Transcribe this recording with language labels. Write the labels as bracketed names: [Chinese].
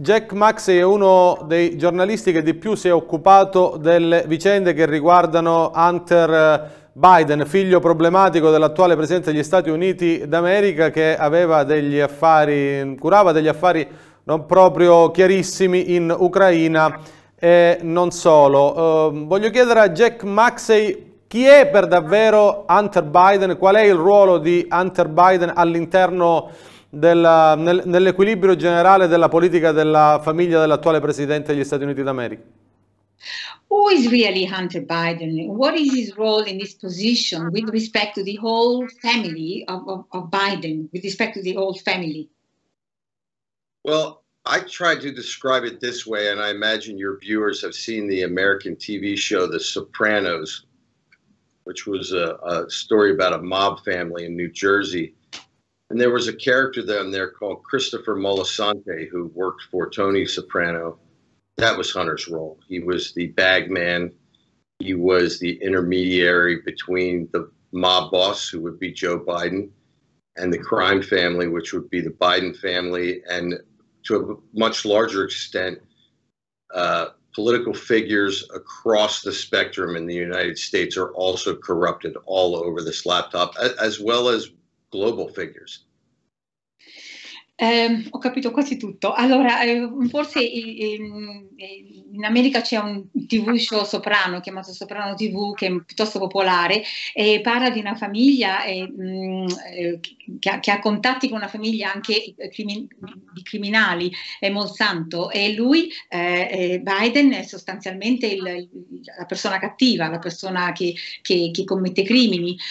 [Italian] Jack Maxey è uno dei giornalisti che di più si è occupato delle vicende che riguardano Hunter Biden, figlio problematico dell'attuale presidente degli Stati Uniti d'America, che aveva degli affari, curava degli affari non proprio chiarissimi in Ucraina e non solo. Voglio chiedere a Jack Maxey chi è per davvero Hunter Biden, qual è il ruolo di Hunter Biden all'interno nell'equilibrio generale della politica della famiglia dell'attuale presidente degli Stati Uniti d'America. [English] Who is really Hunter Biden? What is his role in this position with respect to the whole family of Biden, with respect to the whole family? Well, I try to describe it this way, and I imagine your viewers have seen the American TV show The Sopranos, which was a story about a mob family in New Jersey. And there was a character down there called Christopher Molisante, who worked for Tony Soprano. That was Hunter's role. He was the bag man, he was the intermediary between the mob boss, who would be Joe Biden, and the crime family, which would be the Biden family, and to a much larger extent, political figures across the spectrum in the United States are also corrupted all over this laptop, as well as global figures. [Italian] Ho capito quasi tutto. Allora, forse in America c'è un TV show Soprano, chiamato Soprano TV, che è piuttosto popolare, e parla di una famiglia che ha contatti con una famiglia anche di criminali, è Monsanto, e lui, Biden, è sostanzialmente la persona cattiva, la persona che commette crimini.